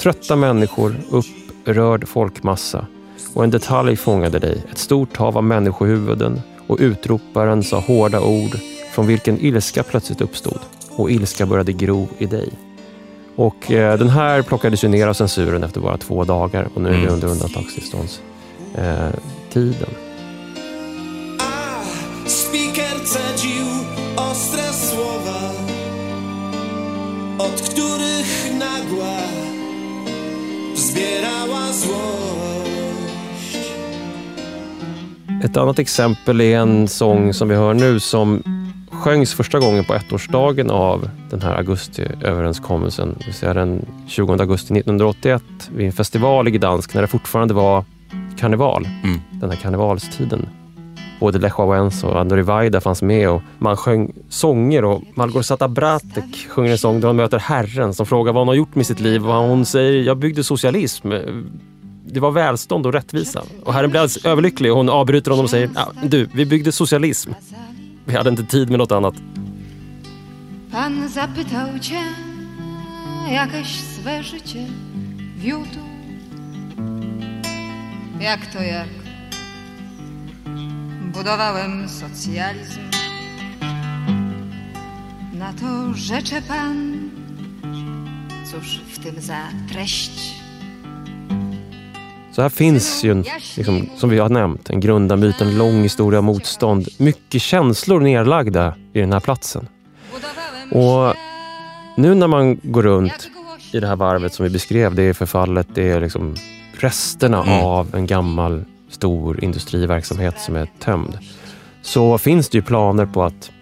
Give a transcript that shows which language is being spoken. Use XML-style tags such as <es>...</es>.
<sv>Trötta människor, upprörd folkmassa. Och en detalj fångade dig, ett stort hav av människohuvuden, och utroparen sa hårda ord från vilken ilska plötsligt uppstod, och ilska började gro i dig. Och den här plockades ju ner av censuren efter bara 2 dagar, och nu är vi under undantagstillstånds tiden.</sv> <pl>A speaker cedził ostre słowa, od których nagła zbierała zło.</pl> <sv>Ett annat exempel är en sång som vi hör nu som sjöngs första gången på ettårsdagen av den här augustiöverenskommelsen. Vi ser den 20 augusti 1981 vid en festival i Gdansk när det fortfarande var karneval. Den här karnevalstiden. Både Lech Wałęsa och Andrzej Wajda fanns med, och man sjöng sånger, och Malgorzata Bratek sjunger en sång där hon möter Herren som frågar vad hon har gjort med sitt liv, och hon säger, jag byggde socialism. Det var välstånd och rättvisa. Och Herren blev alldeles överlycklig. Hon avbryter honom och säger, ja, du, vi byggde socialism. Vi hade inte tid med något annat.</sv> <pl>Pan zapytał cię, jakieś swe życie wiódł. Jak to jak? Budowałem socjalizm. Na to rzecze pan, cóż w tym za treść?</pl> <sv>Så här finns ju, en, liksom, som vi har nämnt, en grundamyt, en lång historia av motstånd. Mycket känslor nedlagda i den här platsen. Och nu när man går runt i det här varvet som vi beskrev, det är förfallet, det är liksom resterna av en gammal stor industriverksamhet som är tömd. Så finns det ju planer på att</sv>